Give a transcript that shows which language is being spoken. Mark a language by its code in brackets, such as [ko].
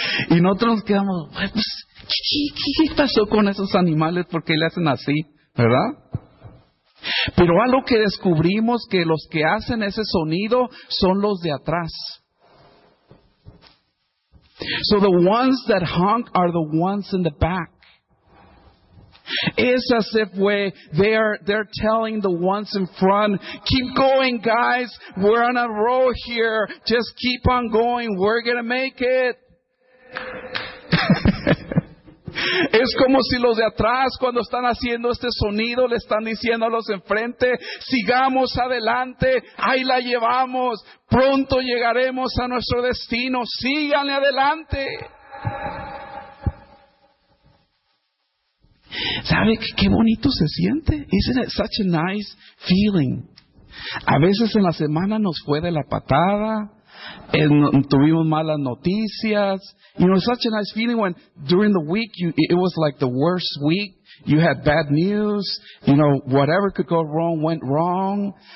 [es] Y nosotros nos quedamos, pues, ¿qué pasó con esos animales? ¿Por qué le hacen así? ¿Verdad? Pero algo que descubrimos, que los que hacen ese sonido son los de atrás. [en] So the ones that honk are the ones in the back. It's as if they're telling the ones in front, keep going, guys. We're on a roll here. Just keep on going. We're going to make it. [es] Es como si los de atrás, cuando están haciendo este sonido, le están diciendo a los enfrente, sigamos adelante, ahí la llevamos, pronto llegaremos a nuestro destino, síganle adelante. ¿Sabe qué bonito se siente? [en] Isn't it such a nice feeling? [es] A veces en la semana nos fue de la patada, tuvimos malas noticias. [en] You know, it's such a nice feeling when during the week it was like the worst week. You had bad news. You know, whatever could go wrong went wrong.